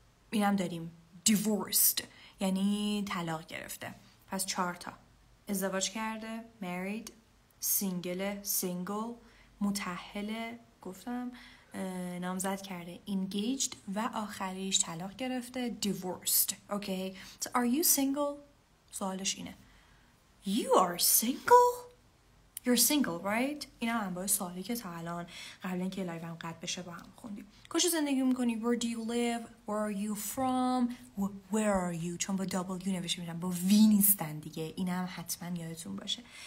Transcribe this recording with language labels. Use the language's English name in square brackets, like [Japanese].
[Persian] اینم داریم divorced یعنی طلاق گرفته. پس چهار تا، ازدواج کرده married، single single، متأهله گفتم، نامزد کرده engaged، و آخریش طلاق گرفته divorced. [English] okay so are you single، [Persian] سوالش اینه. [English] you are single، you're single right. [Persian] اینا هم با سوالی که تا الان قبل اینکه لایو هم قطع بشه با هم خوندیم. کجا زندگی میکنی؟ [English] where do you live، where are you [Persian] from، where are you، چون با دابل یو نوشته میشن، با وی نیستن دیگه. این هم حتما یادتون باشه.